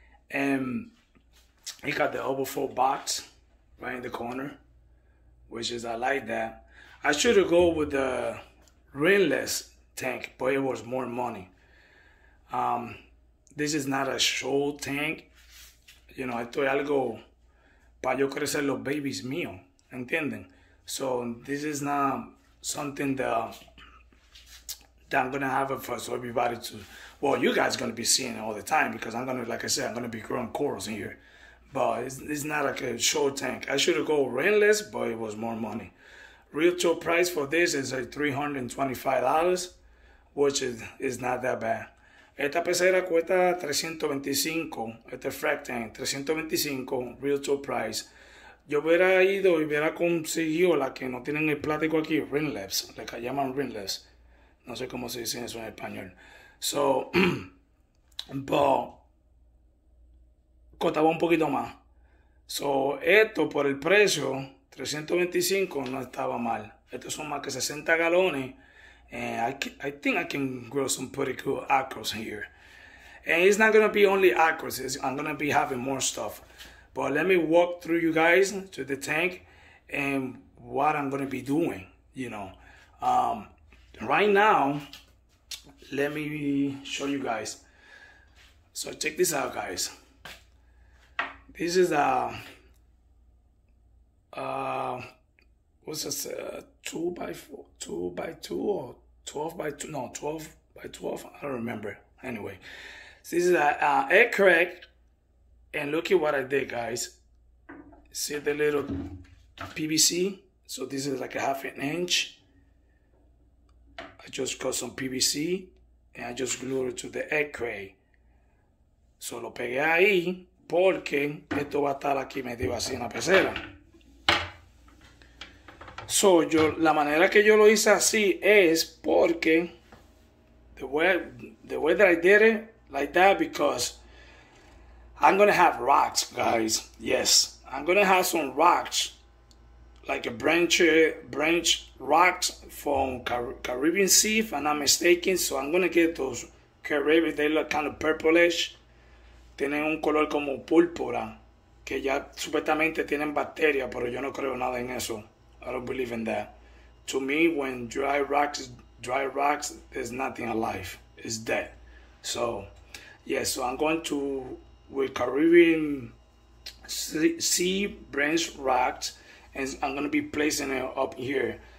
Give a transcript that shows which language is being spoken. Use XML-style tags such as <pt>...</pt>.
<en>And it got the overflow box right in the corner, which is, I like that. I should have gone with the rainless tank, but it was more money. This is not a show tank, you know.</en> <es>Esto es algo para yo crecer los babies mío, ¿entienden?</es> <en>So this is not something that I'm gonna have it for so everybody to, well, you guys are gonna be seeing it all the time, because I'm gonna, like I said, I'm gonna be growing corals in here. But it's not like a show tank. I should have go rainless, but it was more money. Retail price for this is like $325, which is not that bad.</en> <es>Esta pecera cuesta $325, este frag tank, $325, retail price. Yo hubiera ido y hubiera conseguido la que no tienen el plástico aquí, rinless, la que llaman rinless. No sé cómo se dice eso en español. So, but, costaba un poquito más. So, esto por el precio, 325, no estaba mal. Estos son más que 60 galones.</es> <en>And I think I can grow some pretty cool acros here. And it's not going to be only acros. I'm going to be having more stuff. But let me walk through you guys to the tank and what I'm going to be doing, you know. Right now, let me show you guys. So check this out, guys. This is a what's this, 12 by 12, I don't remember. Anyway, this is a egg crack, and look at what I did, guys. See the little PVC? So this is like a half an inch. I just got some PVC and I just glued it to the egg crack.</en> <es>So lo pegué ahí porque esto va a estar aquí medio así en la pecera.</es> <en>So</en> <es>yo, la manera que yo lo hice así es porque</es> <en>the way that I did it like that, because I'm gonna have rocks, guys. Yes, I'm gonna have some rocks, like a branch rocks from Caribbean Sea, if I'm not mistaken. So I'm gonna get those Caribbean. They look kind of purplish.</en> <es>Tienen un color como púrpura, que ya supuestamente tienen bacteria, pero yo no creo nada en eso.</es> <en>I don't believe in that. To me, when dry rocks, there's nothing alive. It's dead. So, yeah, so I'm going to, with Caribbean sea branch rocks, and I'm gonna be placing it up here.</en>